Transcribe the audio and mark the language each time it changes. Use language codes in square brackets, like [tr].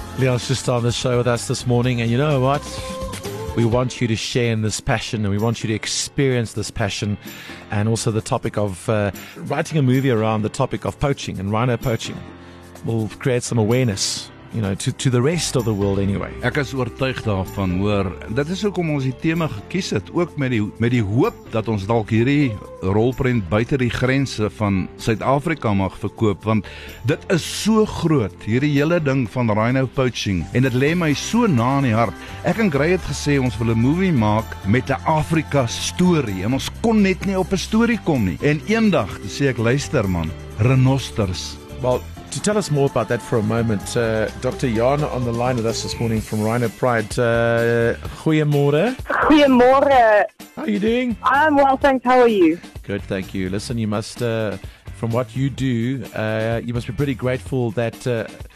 [en] Leon's just on the show with us this morning. And you know what? We want you to share in this passion and we want you to experience this passion and also the topic of writing a movie around the topic of poaching and rhino poaching will create some awareness, you know, to the rest of the world anyway. [af] Ek is oortuig daarvan, hoor. Dit is hoekom ons die tema gekies het, ook met die hoop dat ons dalk hierdie rolprent buite die grense van Suid-Afrika mag verkoop, want dit is so groot, hierdie hele ding van rhino poaching, en dit lê my so na in die hart. Ek en Gray het gesê, ons wil 'n movie maak met 'n Afrika story, en ons kon net nie op 'n story kom nie. En eendag, toe sê ek, luister man, rinosters. [en] Well, to tell us more about that for a moment, Dr. Jan on the line with us this morning from Rhino Pride. [af] Goeiemôre. Goeiemôre. [en] How are you doing? I'm well, thanks. How are you? Good, thank you. Listen, you must, from what you do, you must be pretty grateful that